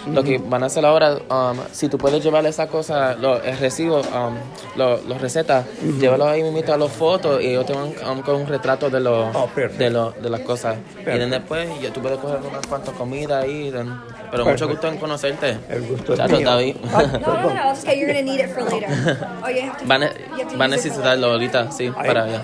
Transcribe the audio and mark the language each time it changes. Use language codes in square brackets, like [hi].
[es] Lo que van a hacer ahora, si tú puedes llevar esa cosa, el recibo, los recetas, llévalo ahí mismo a las fotos y ellos te van con un retrato de los de las cosas. Perfecto. Y después yo, tú puedes coger unas cuantas comidas ahí. Pero mucho gusto en conocerte. El gusto es chacho, mío. David. [en] No, okay, you're gonna need it for later. [es] Van a necesitarlo ahorita, sí, para allá.